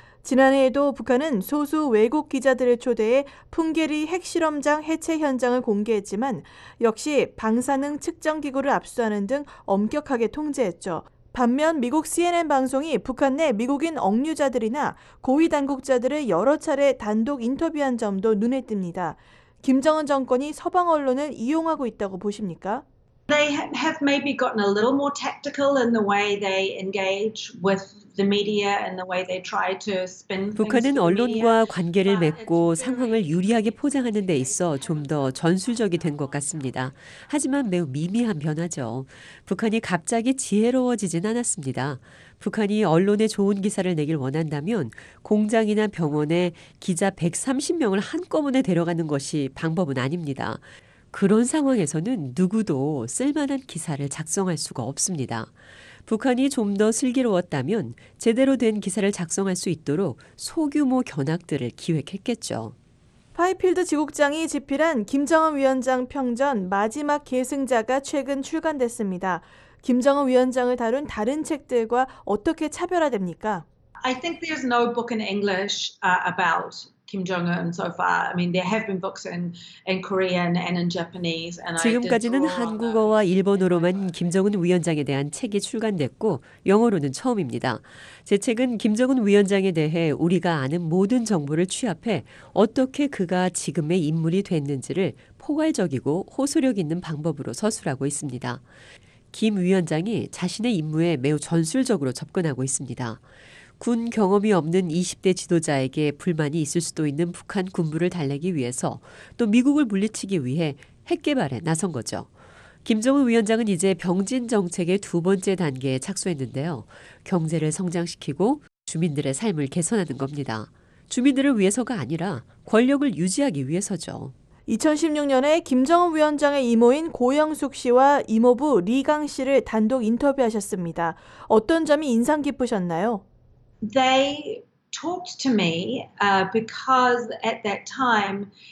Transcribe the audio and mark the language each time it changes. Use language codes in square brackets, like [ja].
[ko] 지난해에도 북한은 소수 외국 기자들을 초대해 풍계리 핵실험장 해체 현장을 공개했지만 역시 방사능 측정기구를 압수하는 등 엄격하게 통제했죠. 반면 미국 CNN 방송이 북한 내 미국인 억류자들이나 고위 당국자들을 여러 차례 단독 인터뷰한 점도 눈에 띕니다. 김정은 정권이 서방 언론을 이용하고 있다고 보십니까? [en] They have maybe gotten a little more tactical in the way they engage with the media and the way they try to spin things. [ko] 북한은 언론과 관계를 맺고 상황을 유리하게 포장하는 데 있어 좀 더 전술적이 된 것 같습니다. 하지만 매우 미미한 변화죠. 북한이 갑자기 지혜로워지진 않았습니다. 북한이 언론에 좋은 기사를 내길 원한다면 공장이나 병원에 기자 130명을 한꺼번에 데려가는 것이 방법은 아닙니다. 그런 상황에서는 누구도 쓸만한 기사를 작성할 수가 없습니다. 북한이 좀 더 슬기로웠다면 제대로 된 기사를 작성할 수 있도록 소규모 견학들을 기획했겠죠. 파이필드 지국장이 집필한 김정은 위원장 평전 마지막 계승자가 최근 출간됐습니다. 김정은 위원장을 다룬 다른 책들과 어떻게 차별화됩니까? [en] I think there's no book in English about Kim Jong-un so far. I mean, there have been books in Korean and in Japanese. [ko] 지금까지는 한국어와 일본어로만 김정은 위원장에 대한 책이 출간됐고 영어로는 처음입니다. 제 책은 김정은 위원장에 대해 우리가 아는 모든 정보를 취합해 어떻게 그가 지금의 인물이 됐는지를 포괄적이고 호소력 있는 방법으로 서술하고 있습니다. 김 위원장이 자신의 임무에 매우 전술적으로 접근하고 있습니다. 군 경험이 없는 20대 지도자에게 불만이 있을 수도 있는 북한 군부를 달래기 위해서 또 미국을 물리치기 위해 핵 개발에 나선 거죠. 김정은 위원장은 이제 병진 정책의 두 번째 단계에 착수했는데요. 경제를 성장시키고 주민들의 삶을 개선하는 겁니다. 주민들을 위해서가 아니라 권력을 유지하기 위해서죠. 2016년에 김정은 위원장의 이모인 고영숙 씨와 이모부 리강 씨를 단독 인터뷰하셨습니다. 어떤 점이 인상 깊으셨나요? [en] They talked to me because at that time